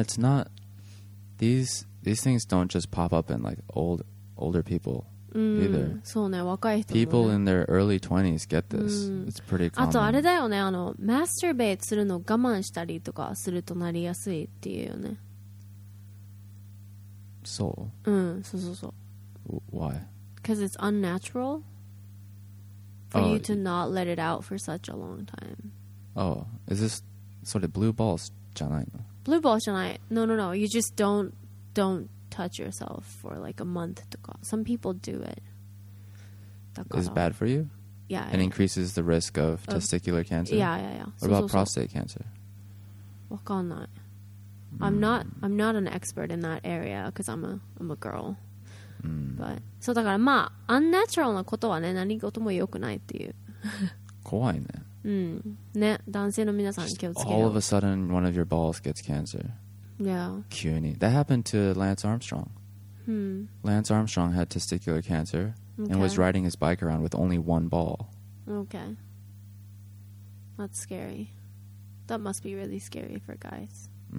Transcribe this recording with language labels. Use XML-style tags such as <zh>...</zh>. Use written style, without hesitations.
<en>it's not these things don't just pop up in like older people. People in their early 20s get this. It's pretty common.</en> <ja>あとあれだよね、あのマスターベイするの我慢したりとかするとなりやすいっていうね。</ja> <en>So.</en> <ja>うん、そうそうそう。</ja> <en>Why? Because it's unnatural for you to not let it out for such a long time. Oh, is this sort of blue balls</en> <ja>じゃないの? Blue balls じゃない。</ja> <en>No. You just don't touch yourself for like a month</en> <ja>とか.</ja> <en>Some people do it. Is it bad for you? Yeah. And increases the risk of testicular cancer? Yeah. What about prostate cancer?</en> <ja>わかんない。</ja> <en>I'm not an expert in that area because I'm a girl. But so</en> <ja>だからまあ unnatural なことはね、何事も良くないっていう。怖いね。ね、男性の皆さん気をつけよう。</ja> <en>All of a sudden one of your balls gets cancer. Yeah.</en> <ja>急に。</ja> <en>That happened to Lance Armstrong. Lance Armstrong had testicular cancer and was riding his bike around with only one ball. Okay. That's scary. That must be really scary for guys.</en>